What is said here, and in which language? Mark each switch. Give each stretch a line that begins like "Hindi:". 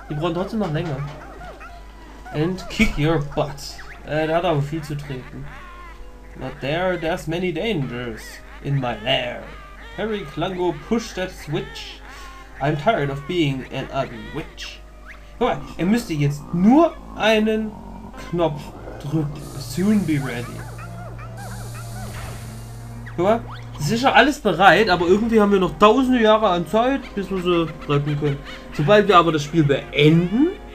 German: Die brauchen trotzdem noch länger.
English: And kick your butt.
German: Der hat aber viel zu treten.
English: Not there, there's many dangers in my lair. Harry Klungo, push that switch. I'm tired of being an ugly witch.
German: Guck mal, er müsste jetzt nur einen Knopf drücken.
English: Soon be ready.
German: Guck mal, es ist schon alles bereit, aber irgendwie haben wir noch tausende Jahre an Zeit, bis wir sie retten können. Sobald wir aber das Spiel beenden...